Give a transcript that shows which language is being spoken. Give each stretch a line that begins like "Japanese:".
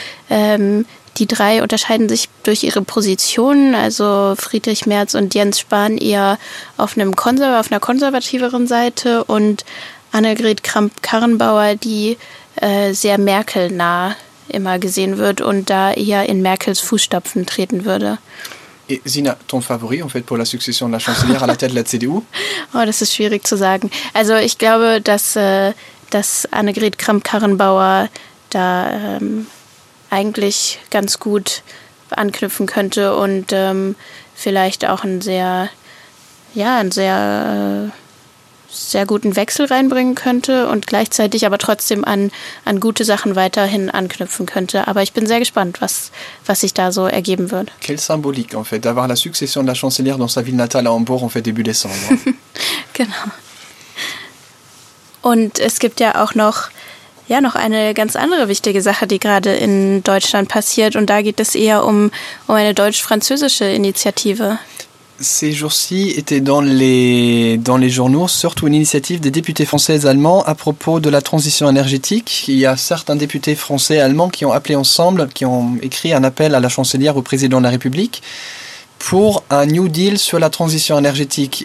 German: Die drei unterscheiden sich durch ihre Positionen, also Friedrich Merz und Jens Spahn eher auf einer konservativeren Seite und Annegret Kramp-Karrenbauer, die sehr Merkel-nah immer gesehen wird und da eher in Merkels Fußstapfen treten würde.
French: Et Sina, ton favori en fait pour la succession de la chancelière à la tête de la CDU?
German: Oh, das ist schwierig zu sagen. Also ich glaube, dass Annegret Kramp-Karrenbauer da eigentlich ganz gut anknüpfen könnte und vielleicht auch einen sehr guten Wechsel reinbringen könnte und gleichzeitig aber trotzdem an gute Sachen weiterhin anknüpfen könnte. Aber ich bin sehr gespannt, was sich da so ergeben wird.
French: Quelle symbolique, en fait, d'avoir la succession de la chancelière dans sa ville natale à Hambourg, en fait, début décembre.
German: Genau. Und es gibt ja auch noch eine ganz andere wichtige Sache, die gerade in Deutschland passiert. Und da geht es eher um eine deutsch-französische Initiative.
French: Ces jours-ci étaient dans les journaux, surtout une initiative des députés français et allemands à propos de la transition énergétique. Il y a certains députés français et allemands qui ont appelé ensemble, qui ont écrit un appel à la chancelière, au président de la République, pour un New Deal sur la transition énergétique.